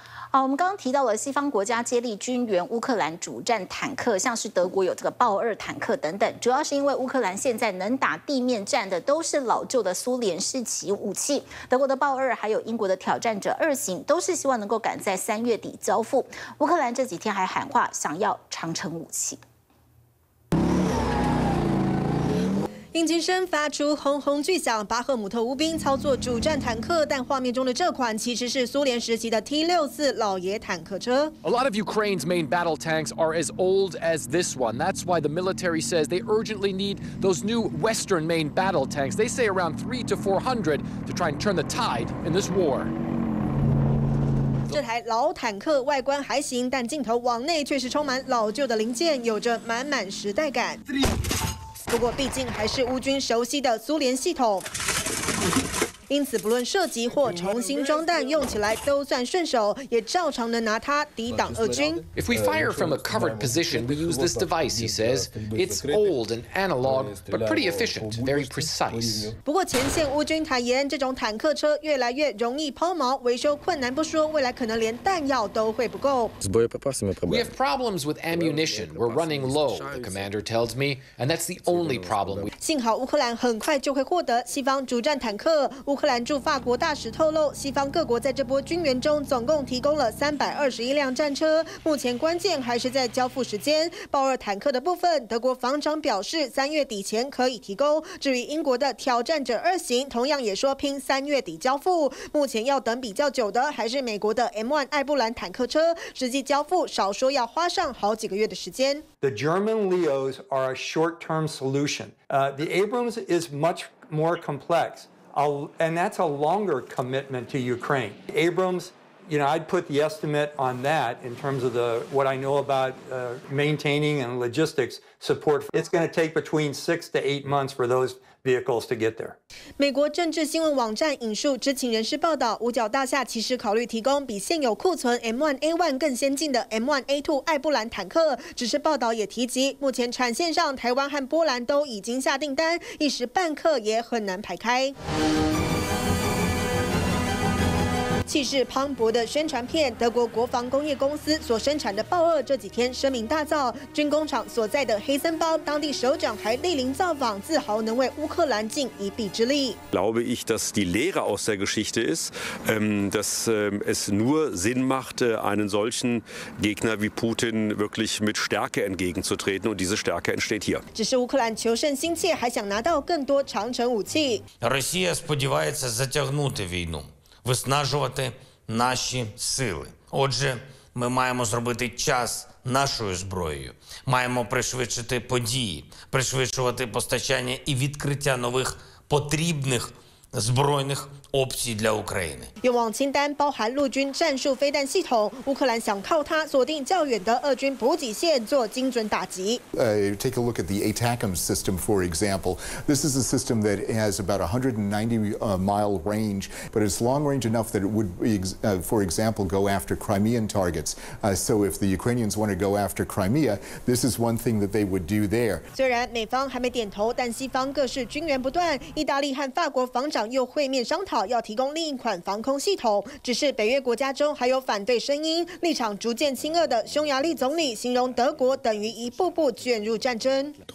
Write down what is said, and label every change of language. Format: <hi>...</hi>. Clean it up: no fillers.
<zh>好，我们刚刚提到了西方国家接力军援乌克兰主战坦克，像是德国有这个豹二坦克等等，主要是因为乌克兰现在能打地面战的都是老旧的苏联式骑武器，德国的豹二还有英国的挑战者二型都是希望能够赶在3月底交付。乌克兰这几天还喊话想要长城武器。引擎声发出轰轰巨响，巴赫姆特乌兵操作主战坦克，但画面中的这款其实是苏联时期的 T64 老爷坦克车。</zh> <en>A lot of Ukraine's main battle tanks are as old as this one. That's why the military says they urgently need those new Western main battle tanks. They say around 300 to 400 to try and turn the tide in this war.</en> <zh>这台老坦克外观还行，但镜头往内却是充满老旧的零件，有着满满时代感。不过毕竟还是乌军熟悉的苏联系统，因此不论射击或重新装弹，用起来都算顺手，也照常能拿它抵挡俄军。</zh> <en>If we fire from a covered position, we use this device, he says. It's old and analog, but pretty efficient, very precise.</en> <zh>不过前线乌军坦言，这种坦克车越来越容易抛锚，维修困难不说，未来可能连弹药都会不够。</zh> <en>We have problems with ammunition. We're running low, the commander tells me, and that's the only problem.</en> <zh>幸好乌克兰很快就会获得西方主战坦克。乌克兰驻法国大使透露，西方各国在这波军援中总共提供了321辆战车，目前关键还是在交付时间。豹二坦克的部分，德国防长表示3月底前可以提供。至于英国的挑战者二型，同样也说拼3月底交付。目前要等比较久的还是美国的 M1 艾布兰坦克车，实际交付少说要花上好几个月的时间。</zh> <en>The German Leos are a short-term solution. The Abrams is much more complex. And that's a longer commitment to Ukraine. Abrams, you know, I'd put the estimate on that in terms of the, what I know about maintaining and logistics support. It's going to take between 6 to 8 months for those vehicles to get there.</en> <zh>美国政治新闻网站引述知情人士报道，五角大厦其实考虑提供比现有库存 M1A1 更先进的 M1A2 艾布兰坦克，只是报道也提及，目前产线上台湾和波兰都已经下订单，一时半刻也很难排开。气势磅礴的宣传片，德国国防工业公司所生产的豹二这几天声名大噪，军工厂所在的黑森堡当地首长还莅临造访，自豪能为乌克兰尽一臂之力。</zh> <de>Glaube ich, dass die Lehre aus der Geschichte ist, dass es nur Sinn macht, einen solchen Gegner wie Putin wirklich mit Stärke entgegenzutreten, und diese Stärke entsteht hier.</de> <zh>只是乌克兰求胜心切，还想拿到更多长城武器。</zh> <uk>Россия сподівається затягнути війну. Виснажувати наші сили. Отже, ми маємо зробити час нашою зброєю. Маємо пришвидшити події, пришвидшувати постачання і відкриття нових потрібних збройних опцій для України.</uk> <zh>愿望清单包含陆军战术飞弹系统，乌克兰想靠它锁定较远的俄军补给线做精准打击。</zh> <en>Take a look at the ATACMS system, for example. This is a system that has about 190-mile range, but it's long range enough that it would, for example, go after Crimean targets. So if the Ukrainians want to go after Crimea, this is one thing that they would do there.</en> <zh>虽然美方还没点头，但西方各式军援不断。意大利和法国防长又会面商讨要提供另一款防空系统，只是北约国家中还有反对声音，立场逐渐亲俄的匈牙利总理形容德国等于一步步卷入战争。</zh>